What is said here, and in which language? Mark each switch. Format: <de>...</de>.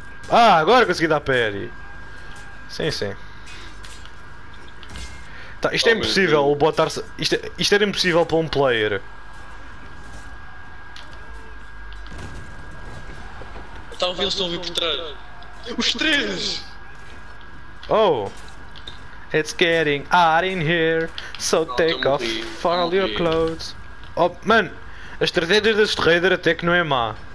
<pt>Ah, agora consegui dar parry! Sim, sim. Tá, isto é impossível, o bot estar-se... Isto era impossível para um player. Tá a ouvir-se, estão a ouvir por trás. Os três! Oh!</pt> <en>It's getting hot in here, so take off for all your clothes. Oh, man!</en> <pt>A estratégia deste raider até que não é má.</pt>